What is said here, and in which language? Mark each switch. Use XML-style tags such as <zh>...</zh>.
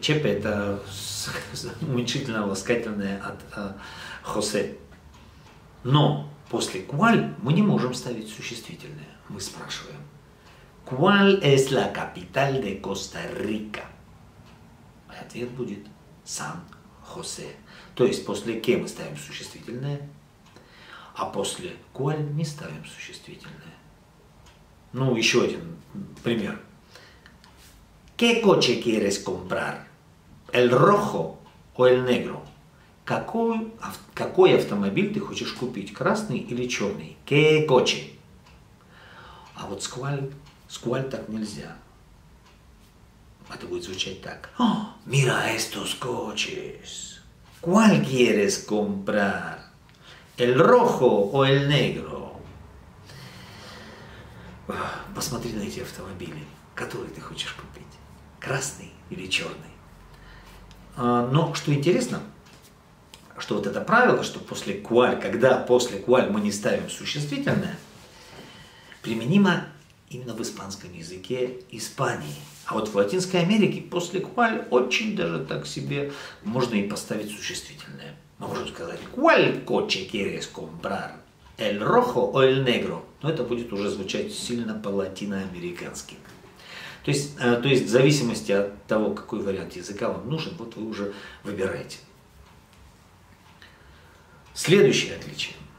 <ru>Чепе это уменьшительно ласкательное от Хосе. Но после куаль мы не можем ставить существительное. Мы спрашиваем.</ru> <es>¿Cuál es la capital de Costa Rica?</es> <ru>Ответ будет San José. То есть после «que» мы ставим существительное, а после «cuál» не ставим существительное. Ну, еще один пример.</ru> <es>¿Qué coche quieres comprar? ¿El rojo o el negro?</es> <ru>Какой автомобиль ты хочешь купить? Красный или черный?</ru> <es>¿Qué coche?</es> <ru>А вот «cuál»? Скуаль так нельзя. Это будет звучать так.</ru> <es>Mira estos coches. ¿Cuál quieres comprar? ¿El rojo o el negro?</es> <ru>Посмотри на эти автомобили. Которые ты хочешь купить? Красный или черный? Но что интересно, что вот это правило, что после куаль, когда после куаль мы не ставим существительное, применимо именно в испанском языке Испании. А вот в Латинской Америке после куаль очень даже так себе можно и поставить существительное. Мы можем сказать</ru> <es>«cuál coche quieres comprar? ¿El rojo o el negro?»</es> <ru>Но это будет уже звучать сильно по-латиноамерикански. То есть в зависимости от того, какой вариант языка вам нужен, вот вы уже выбираете. Следующее отличие.</ru>